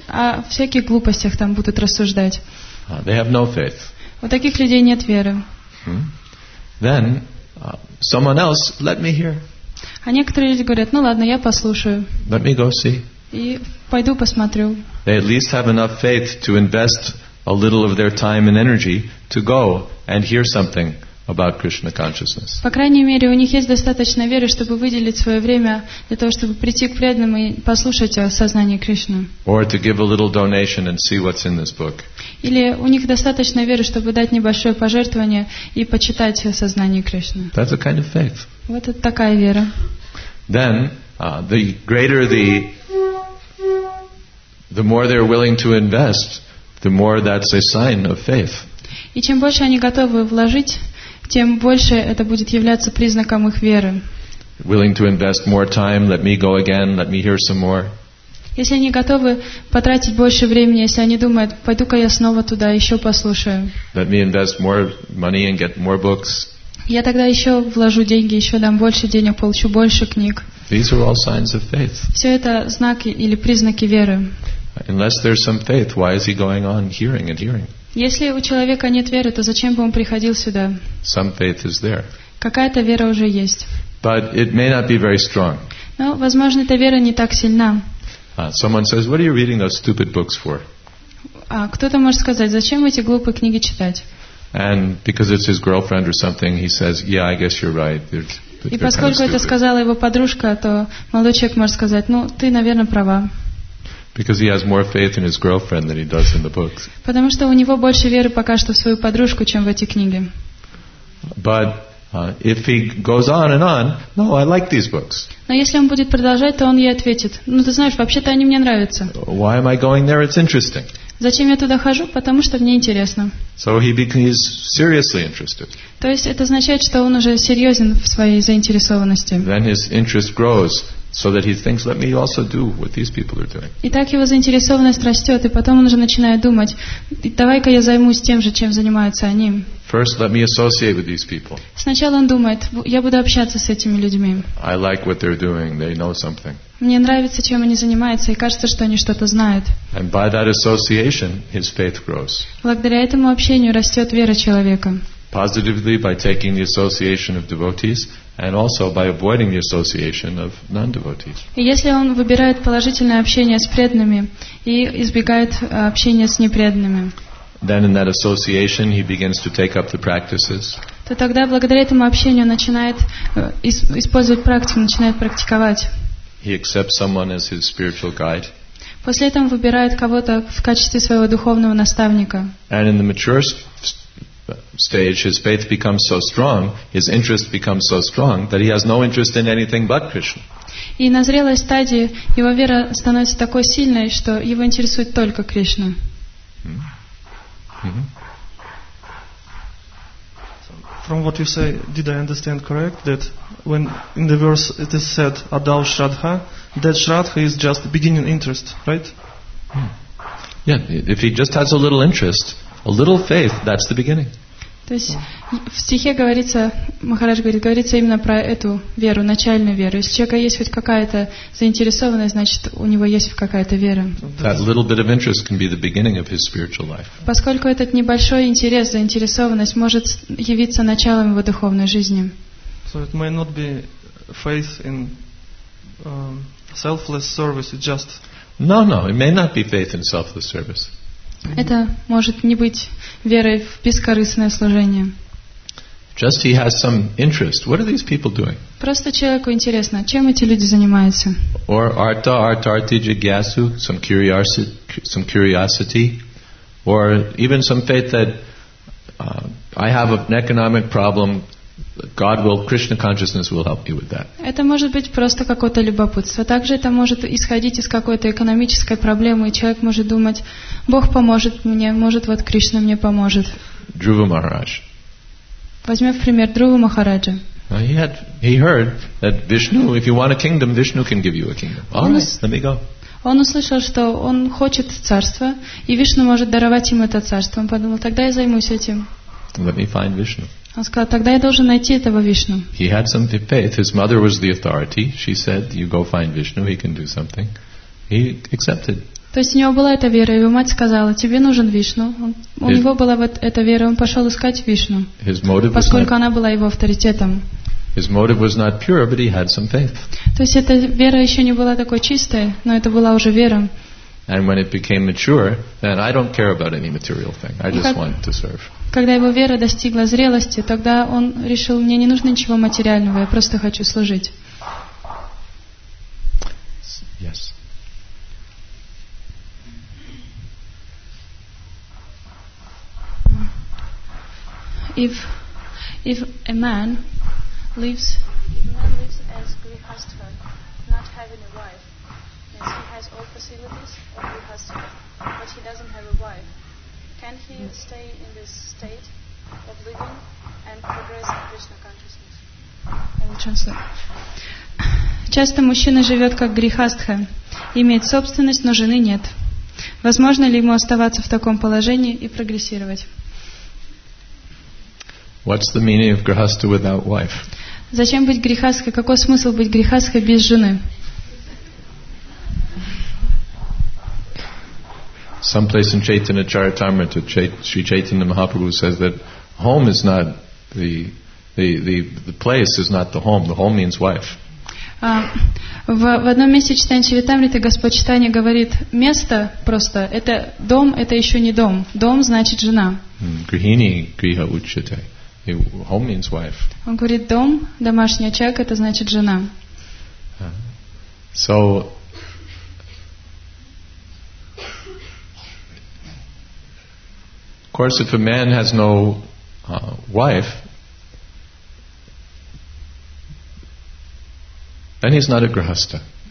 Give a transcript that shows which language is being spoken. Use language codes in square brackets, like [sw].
[ru] О всяких глупостях там будут рассуждать. [en] They have no faith. [ru] У таких людей нет веры. [en] Then someone else, let me hear. [ru] А некоторые люди говорят, ну ладно, я послушаю. [en] Let me go see. [ru] И пойду посмотрю. [en] They at least have enough faith to invest a little of their time and energy to go and hear something about Krishna consciousness. [ru] По крайней мере, у них есть достаточно веры, чтобы выделить свое время для того, чтобы прийти к преданным и послушать о сознании Кришны. [en] Or to give a little donation and see what's in this book. [ru] Или у них достаточно веры, чтобы дать небольшое пожертвование и почитать о сознании Кришны. [en] That's a kind of faith. [ru] Вот это такая вера. [en] Then, the greater the more they're willing to invest, the more that's a sign of faith. [ru] И чем больше они готовы вложить, тем больше это будет являться признаком их веры. [en] Willing to invest more time, let me go again, let me hear some more. [ru] Если они готовы потратить больше времени, если они думают, пойду-ка я снова туда, еще послушаю. [en] Let me invest more money and get more books. [ru] Я тогда еще вложу деньги, еще дам больше денег, получу больше книг. [en] These are all signs of faith. [ru] Все это знаки или признаки веры. [en] Unless there's some faith, why is he going on hearing and hearing? [ru] Если у человека нет веры, то зачем бы он приходил сюда? [en] Some faith is there. [ru] Какая-то вера уже есть. [en] But it may not be very strong. [ru] Но, возможно, эта вера не так сильна. [en] Someone says, "What are you reading those stupid books for?" [ru] А кто-то может сказать, зачем эти глупые книги читать? [en] And because it's his girlfriend or something, he says, "Yeah, I guess you're right." [ru] И поскольку это сказала его подружка, то молодой человек может сказать, ну, ты, наверное, права. [en] Because he has more faith in his girlfriend than he does in the books. [ru] Потому что у него больше веры пока что в свою подружку, чем в эти книги. [en] But if he goes on and on, no, I like these books. [ru] Но если он будет продолжать, то он ей ответит: ну ты знаешь, вообще-то они мне нравятся. [en] Why am I going there? It's interesting. [ru] Зачем я туда хожу? Потому что мне интересно. [en] So he's seriously interested. [ru] То есть это означает, что он уже серьезен в своей заинтересованности. [en] Then his interest grows. So that he thinks, let me also do what these people are doing. [ru] И так его заинтересованность растет, и потом он уже начинает думать: давай-ка я займусь тем же, чем занимаются они. [en] First, let me associate with these people. [ru] Сначала он думает: я буду общаться с этими людьми. [en] I like what they're doing. They know something. [ru] Мне нравится, чем они занимаются, и кажется, что они что-то знают. [en] And by that association, his faith grows. [ru] Благодаря этому общению растет вера человека. [en] Positively by taking the association of devotees. And also by avoiding the association of non-devotees. [ru] И если он выбирает положительное общение с преданными и избегает общения с непреданными, [en] then in that association he begins to take up the practices. [ru] То тогда благодаря этому общению он начинает использовать практику, начинает практиковать. [en] He accepts someone as his spiritual guide. [ru] После этого выбирает кого-то в качестве своего духовного наставника. [en] And in the mature stage, his faith becomes so strong, his interest becomes so strong that he has no interest in anything but Krishna. [ru] И на зрелой стадии его вера становится такой сильной, что его интересует только Кришна. [en] From what you say, did I understand correct that when in the verse it is said Adal Shraddha, that Shraddha is just beginning interest, right? Yeah, if he just has a little interest, a little faith, that's the beginning. [ru] То есть в стихе говорится, Махарадж говорит, говорится именно про эту веру, начальную веру. Если у человека есть хоть какая-то заинтересованность, значит, у него есть какая-то вера. [en] That little bit of interest can be the beginning of his spiritual life. [ru] Поскольку этот небольшой интерес, заинтересованность может явиться началом его духовной жизни. [en] So it may not be faith in selfless service, it just... No, it may not be faith in selfless service. [ru] Это может не быть верой в бескорыстное служение. [en] Just he has some interest. What are these people doing? [ru] Просто человеку интересно, чем эти люди занимаются. [en] Or artha, artha, arti, jigyasu, some curiosity, or even some faith that I have an economic problem. God will, Krishna consciousness will help me with that. [ru] Это может быть просто какое-то любопытство. Также это может исходить из какой-то экономической проблемы, и человек может думать, Бог поможет мне, может вот Кришна мне поможет. Друва Махарадж. Возьмем в пример Друва Махараджа. [en] He heard that Vishnu, if you want a kingdom, Vishnu can give you a kingdom. All right, let me go. [ru] Он услышал, что он хочет царство, и Вишну может даровать ему это царство. Он подумал, тогда я займусь этим. [en] Let me find Vishnu. [ru] Он сказал, тогда я должен найти этого Вишну. [en] He had some faith. His mother was the authority. She said, you go find Vishnu, he can do something. He accepted. [ru] То есть у него была эта вера, его мать сказала, тебе нужен Вишну. У него была вот эта вера, он пошел искать Вишну, поскольку она была его авторитетом. [en] His motive was not pure, but he had some faith. [ru] То есть эта вера еще не была такой чистой, но это была уже вера. [en] And when it became mature, then I don't care about any material thing. I just want to serve. [ru] Когда его вера достигла зрелости, тогда он решил, мне не нужно ничего материального, я просто хочу служить. [en] Yes. If a man lives, as Grihastha, not having a wife, means he has all facilities of Grihastha, but he doesn't have a wife. Can he stay in this state of living and progress in Krishna consciousness? [ru] Часто мужчина живет как Грихастха, имеет собственность, но жены нет. Возможно ли ему оставаться в таком положении и прогрессировать? [en] What's the meaning of grihastha without wife? [ru] Зачем быть грихастхой? Какой смысл быть грихастхой без жены? [en] Someplace in Chaitanya Charitamrita, Sri Chaitanya Mahaprabhu says that home is not the place is not the home. The home means wife. [ru] В одном месте Чайтанья Чаритамриты Господь Чайтанья говорит, место просто, это дом, это еще не дом. Дом значит жена. [sa] Грихини гриха учите. [en] Home means wife. [ru] Он говорит, дом, домашний очаг, это значит жена. [en] So, of course, if a man has no wife, then he's not a grihastha.